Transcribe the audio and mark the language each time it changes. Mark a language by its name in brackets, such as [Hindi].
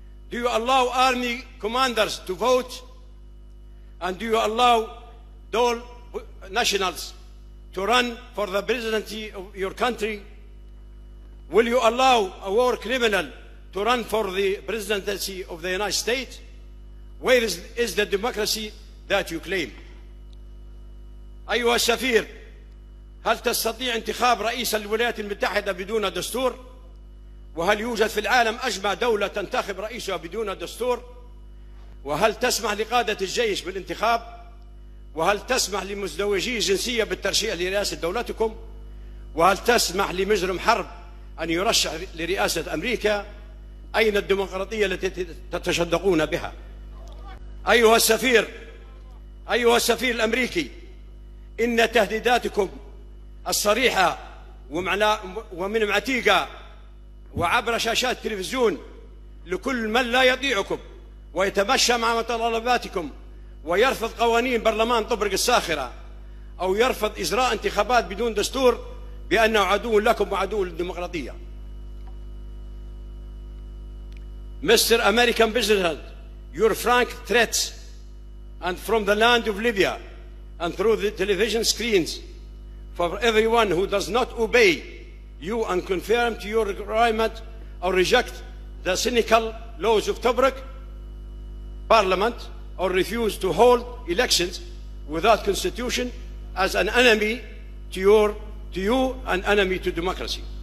[English] Do you allow army commanders to vote? And do you allow dual nationals to run for the presidency of your country? Will you allow a war criminal to run for the presidency of the United States? Where is the democracy that you claim? [Arabic] أيها السفير، هل تستطيع انتخاب رئيس الولايات المتحدة بدون دستور؟ وهل يوجد في العالم أجمع دولة تنتخب رئيسها بدون دستور؟ وهل تسمح لقادة الجيش بالانتخاب؟ وهل تسمح لمزدوجي الجنسية بالترشيح لرئاسة دولتكم؟ وهل تسمح لمجرم حرب أن يرشح لرئاسة أمريكا؟ أين الديمقراطية التي تتشدقون بها؟ أيها السفير الأمريكي، إن تهديداتكم الصريحة ومن معتيقة وعبر شاشات التلفزيون لكل من لا يطيعكم ويتمشى مع متطلباتكم ويرفض قوانين برلمان طبرق الساخرة أو يرفض إجراء انتخابات بدون دستور بأنه عدو لكم وعدو للديمقراطية. [English] Mr. American President, your frank threats and from the land of Libya and through the television screens for everyone who does not obey you and confirm to your requirement or reject the cynical laws of Tobruk Parliament or refuse to hold elections without constitution as an enemy to you and enemy to democracy.